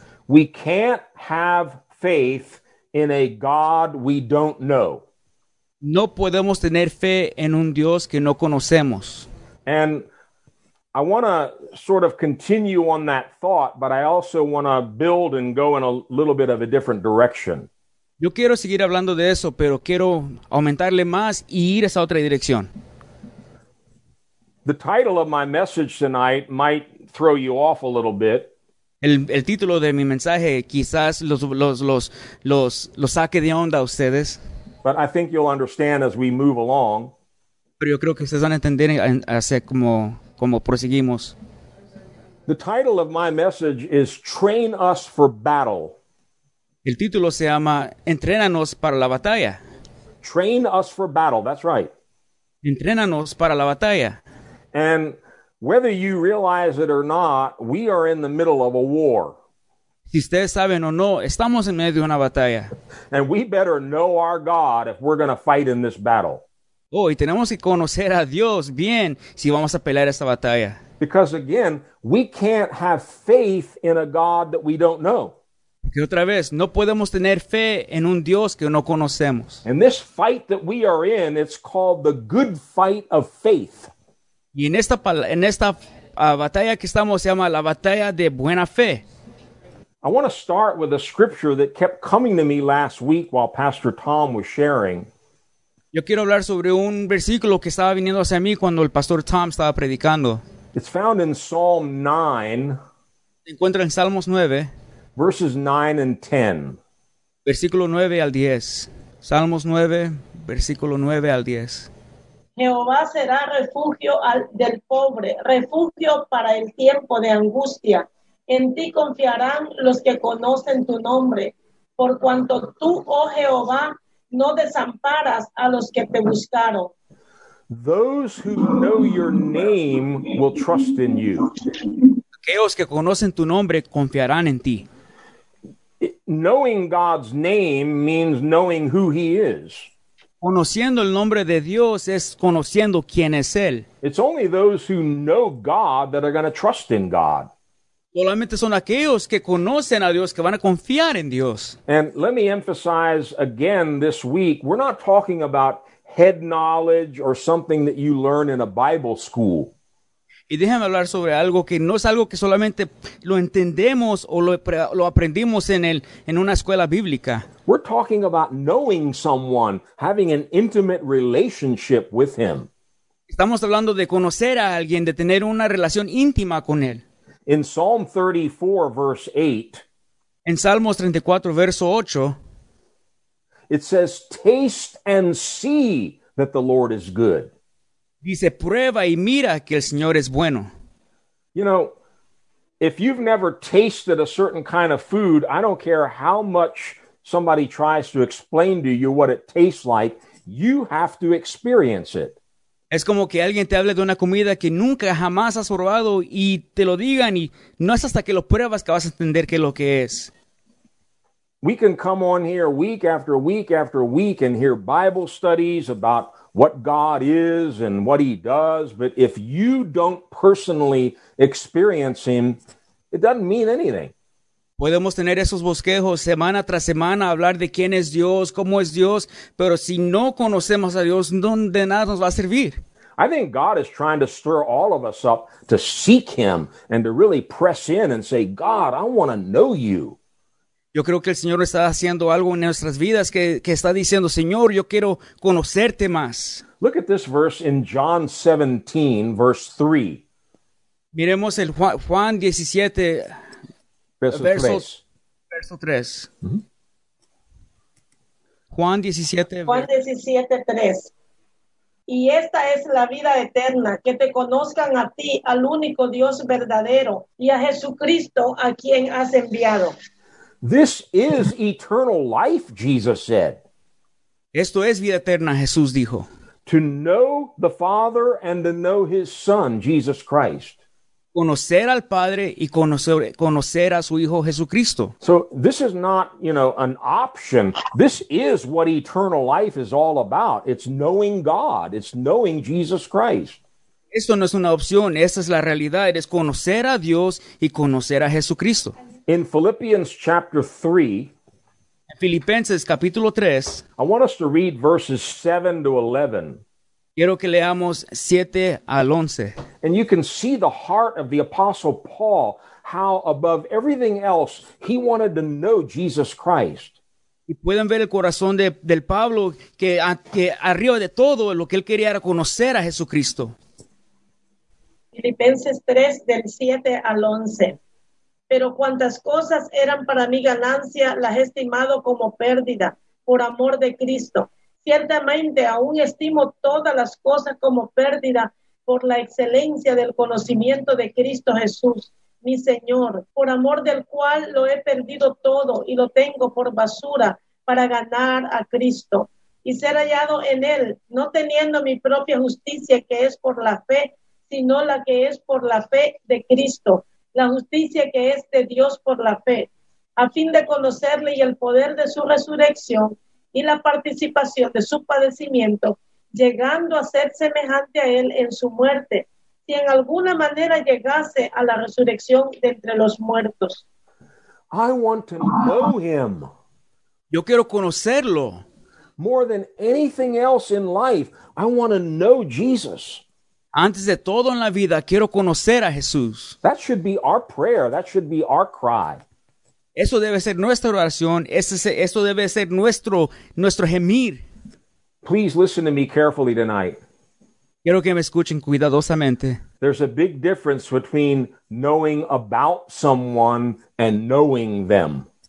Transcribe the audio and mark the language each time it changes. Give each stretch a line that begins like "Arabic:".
English: We can't have faith in a God we don't know.
Spanish: No podemos tener fe en un Dios que no conocemos.
English: And I want to sort of continue on that thought, but I also want to build and go in a little bit of a different direction.
Spanish: Yo quiero seguir hablando de eso, pero quiero aumentarle más y ir a esa otra dirección.
English: The title of my message tonight might throw you off a little bit.
Spanish: El título de mi mensaje quizás los saque de onda a ustedes.
English: But I think you'll understand as we move along.
Spanish: Pero yo creo que ustedes van a entender hacia cómo proseguimos.
English: The title of my message is Train Us for Battle.
Spanish: El título se llama Entrénanos para la batalla.
English: Train Us for Battle, that's right.
Spanish: Entrénanos para la batalla.
English: And whether you realize it or not, we are in the middle of a war.
Spanish: Si ustedes saben o no, estamos en medio de una batalla.
English: And we better know our God if we're going to fight in this battle.
Spanish: Oh, y tenemos que conocer a Dios bien si vamos a pelear esta batalla.
English: Because again, we can't have faith in a God that we don't know.
Spanish: Porque otra vez, no podemos tener fe en un Dios que no conocemos.
English: And this fight that we are in, it's called the good fight of faith.
Spanish: Y en esta batalla que estamos se llama la batalla de buena fe.
English: I want to start with a scripture that kept coming to me last week while Pastor Tom was sharing.
Spanish: Yo quiero hablar sobre un versículo que estaba viniendo hacia mí cuando el Pastor Tom estaba predicando.
English: It's found in Psalm 9.
Spanish: Se encuentra en Salmos 9. Verses 9 and 10. Versículo 9 al 10. Salmos 9, versículo 9 al 10. Jehová será refugio del pobre, refugio para el tiempo de angustia. En ti confiarán los que conocen tu nombre. Por cuanto tú, oh Jehová, no desamparas a los que te buscaron.
English: Those who know your name will trust in you.
Spanish: Aquellos que conocen tu nombre confiarán en ti.
English: Knowing God's name means knowing who He is.
Spanish: Conociendo el nombre de Dios es conociendo quién es Él.
English: It's only those who know God that are going to trust in God.
Spanish: Solamente son aquellos que conocen a Dios que van a confiar en Dios.
English: And let me emphasize again this week, we're not talking about head knowledge or something that you learn in a Bible school.
Spanish: Y déjame hablar sobre algo que no es algo que solamente lo entendemos o lo aprendimos en una escuela bíblica.
English: We're talking about knowing someone, having an intimate relationship with him.
Spanish: Estamos hablando de conocer a alguien, de tener una relación íntima con él.
English: In Psalm 34, verse 8.
Spanish: En Salmos 34, verso 8.
English: It says, "Taste and see that the Lord is good."
Spanish: Dice, prueba y mira que el Señor es bueno.
English: You know, if you've never tasted a certain kind of food, I don't care how much somebody tries to explain to you what it tastes like, you have to experience it.
Spanish: Es como que alguien te hable de una comida que nunca jamás has probado y te lo digan y no es hasta que lo pruebas que vas a entender qué es lo que es.
English: We can come on here week after week after week and hear Bible studies about what God is and what He does, but if you don't personally experience Him, it doesn't mean anything.
Spanish: Podemos tener esos bosquejos semana tras semana, hablar de quién es Dios, cómo es Dios, pero si no conocemos a Dios, de nada nos va a servir.
English: I think God is trying to stir all of us up to seek Him and to really press in and say, God, I want to know You.
Spanish: Yo creo que el Señor está haciendo algo en nuestras vidas que está diciendo, Señor, yo quiero conocerte más.
English: Look at this verse in John 17, verse 3.
Spanish: Miremos el Juan 17, verso 3. Verso 3. Juan 17, Juan 17, 3. Y esta es la vida eterna, que te conozcan a ti, al único Dios verdadero, y a Jesucristo a quien has enviado.
English: This is eternal life, Jesus said.
Spanish: Esto es vida eterna, Jesús dijo.
English: To know the Father and to know His Son, Jesus Christ.
Spanish: Conocer al Padre y conocer a su Hijo Jesucristo.
English: So this is not, you know, an option. This is what eternal life is all about. It's knowing God. It's knowing Jesus Christ.
Spanish: Esto no es una opción. Esta es la realidad. Es conocer a Dios y conocer a Jesucristo.
English: In Philippians chapter 3.
Spanish: Filipenses capítulo 3.
English: I want us to read verses 7 to 11.
Spanish: Quiero que leamos 7 al 11.
English: And you can see the heart of the Apostle Paul, how above everything else, he wanted to know Jesus Christ.
Spanish: Y pueden ver el corazón del Pablo, que arriba de todo, lo que él quería era conocer a Jesucristo. Filipenses 3, del 7 al 11. Pero cuantas cosas eran para mí ganancia, las he estimado como pérdida, por amor de Cristo. Ciertamente aún estimo todas las cosas como pérdida por la excelencia del conocimiento de Cristo Jesús, mi Señor, por amor del cual lo he perdido todo y lo tengo por basura para ganar a Cristo y ser hallado en Él, no teniendo mi propia justicia que es por la fe, sino la que es por la fe de Cristo, la justicia que es de Dios por la fe, a fin de conocerle y el poder de su resurrección, y la participación de su padecimiento, llegando a ser semejante a él en su muerte, si en alguna manera llegase a la resurrección de entre los muertos.
English: I want to know him.
Spanish: Yo quiero conocerlo.
English: More than anything else in life, I want to know Jesus.
Spanish: Antes de todo en la vida, quiero conocer a Jesús.
English: That should be our prayer. That should be our cry.
Spanish: Eso debe ser nuestra oración. Eso debe ser nuestro gemir.
English: Please listen to me carefully tonight.
Spanish: Quiero que me escuchen cuidadosamente.
English: There's a big difference between knowing about someone and knowing them.